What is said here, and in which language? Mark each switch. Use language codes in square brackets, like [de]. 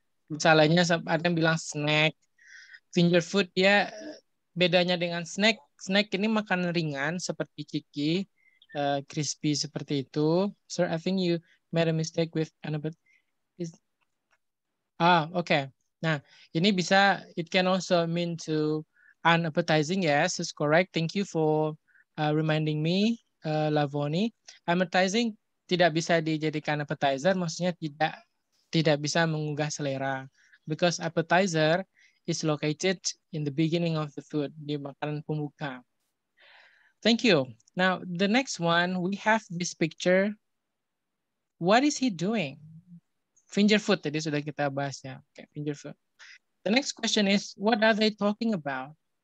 [id] Misalnya ada yang bilang snack. Finger food ya bedanya dengan snack. Snack ini makanan ringan seperti ciki, crispy seperti itu. [en] Sir, I think you made a mistake with another. Okay. [id] Nah, ini bisa [en] it can also mean to unappetizing. Yes, it's correct. Thank you for reminding me, Lavoni. [id] Appetizing tidak bisa dijadikan appetizer, maksudnya tidak bisa mengugah selera. [en] Because appetizer is located in the beginning of the food, [id] di makanan pembuka. [en] Thank you. Now, the next one, we have this picture. What is he doing? Finger food, [id] tadi sudah kita bahas ya. [en] Okay, finger food. The next question is, what are they talking about?